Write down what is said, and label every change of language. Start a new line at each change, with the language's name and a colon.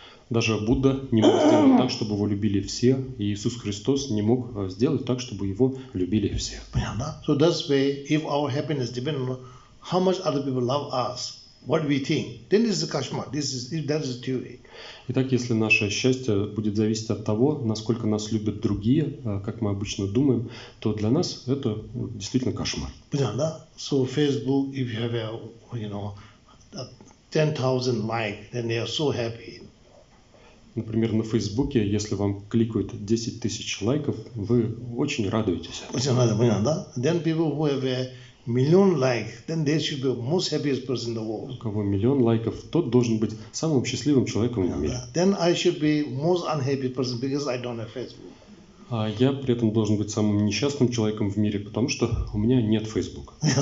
Russian: Даже Будда не мог сделать так, чтобы его любили все, и Иисус Христос не мог сделать так, чтобы его любили все.
English: So that's why if our happiness depends on how much other people love us, what we think, then this is a kashmar. This is that is a theory.
Russian: Итак, если наше счастье будет зависеть от того, насколько нас любят другие, как мы обычно думаем, то для нас это действительно кошмар. Понятно, да?
English: So Facebook, if you have, you know, 10,000 likes, then they are so happy.
Russian: Например, на Фейсбуке, если вам кликают 10 тысяч лайков, вы очень радуетесь. Понятно, да?
English: Then people who have a million likes, then they should be most happiest person in the world.
Russian: У кого миллион лайков, тот должен быть самым счастливым человеком в мире.
English: Then I should be most unhappy person because I don't have Facebook.
Russian: А я при этом должен быть самым несчастным человеком в мире, потому что у меня нет Facebook.